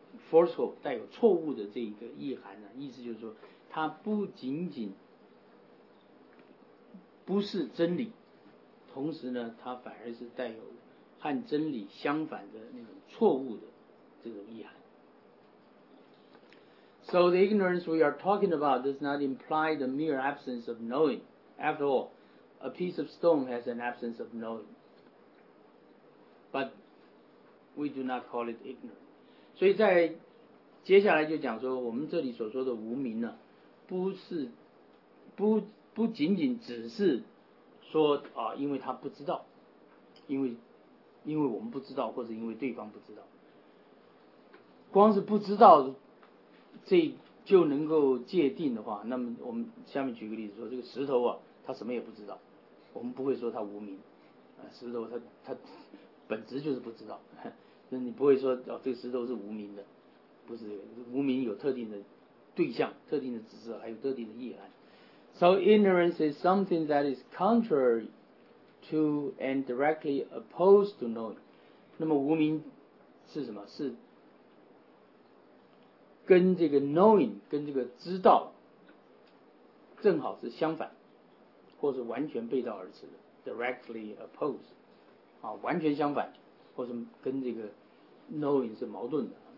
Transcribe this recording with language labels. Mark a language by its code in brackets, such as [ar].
[zh] forceful 带有错误的这一个意涵呢，意思就是说它不仅仅不是真理，同时呢它反而是带有和真理相反的那种错误的这种意涵。 [en] So the ignorance we are talking about does not imply the mere absence of knowing. After all, a piece of stone has an absence of knowing. But we do not call it ignorant. [zh] 所以在接下来就讲说，我们这里所说的无明呢，不仅仅只是说啊，因为他不知道，因为我们不知道，或者因为对方不知道，光是不知道，这就能够界定的话，那么我们下面举个例子说，这个石头啊，他什么也不知道，我们不会说他无明，啊，石头他本质就是不知道，那你不会说哦，这个石头是无明的，不是这个，无明有特定的对象、特定的指示，还有特定的意涵。 [en] So ignorance is something that is contrary to and directly opposed to knowing. [zh] 那么无明是什么？是跟这个 knowing 跟这个知道正好是相反，或是完全背道而驰的 ， [en] directly opposed [zh] 啊，完全相反，或是跟这个 knowing 是矛盾的。